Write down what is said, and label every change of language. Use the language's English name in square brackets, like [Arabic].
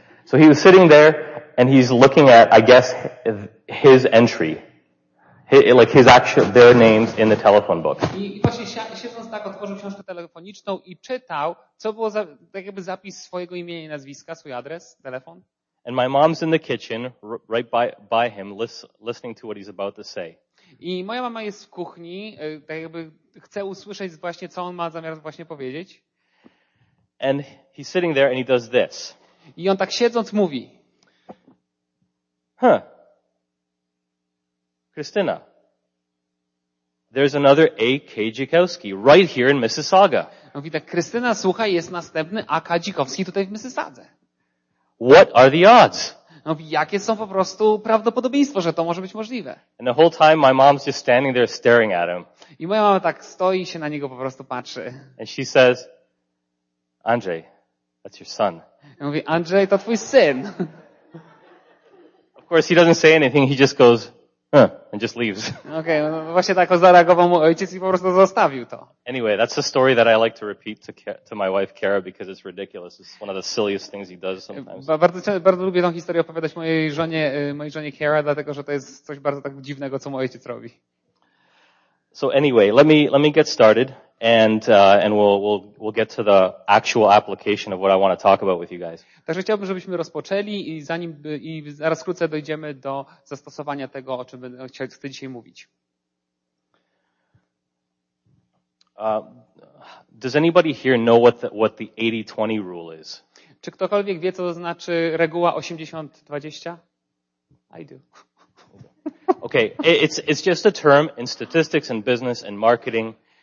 [English] So he was sitting there, and he's looking at, I guess, his entry. His actual, their names in the telephone book. [Polish] I właśnie siedząc tak, otworzył książkę telefoniczną i czytał, co było za, tak jakby zapis swojego imienia i nazwiska, swój adres, telefon. [English] And my mom's in the kitchen, right by him, listening to what he's about to say. [Polish] I moja mama jest w kuchni, tak jakby chce usłyszeć właśnie, co on ma zamiar właśnie powiedzieć. [English] And he's sitting there and he does this. [Polish] I on tak siedząc mówi. Huh. [English] Krystyna. There's another A.K. Dzikowski right here in Mississauga. [Polish] Mówi tak, Krystyna, słuchaj, jest następny A.K. Dzikowski tutaj w Mississaudze. [English] What are the odds? [Polish] Mówi, jakie są po prostu prawdopodobieństwo, że to może być możliwe? [English] And the whole time my mom's just standing there staring at him. [Polish] I moja mama tak stoi i się na niego po prostu patrzy. [English] And she says, Andrzej, that's your son. [Polish] Mówi, Andrzej, to twój syn. [English] Of course he doesn't say anything, he just goes, huh, and just leaves. [Polish] Okay, no, właśnie tak zareagował mu ojciec i po prostu zostawił to. [English] Anyway, that's a story that I like to repeat to my wife Kara because it's ridiculous. It's one of the silliest things he does sometimes. [Polish] Bardzo lubię tą historię opowiadać mojej żonie Kara, dlatego że to jest coś bardzo tak dziwnego, co mój ojciec robi. [English] So anyway, let me get started. And we'll get to the actual application of what I want to talk about with you guys. [Polish] Także chciałbym, żebyśmy rozpoczęli i zaraz wkrótce dojdziemy do zastosowania tego, o czym chcę dzisiaj mówić. [English] Does anybody here know what the 80-20 rule is? [Polish] Czy ktokolwiek wie, co to znaczy reguła 80-20? [English] I do. Okay, it's just a term in statistics and business and marketing.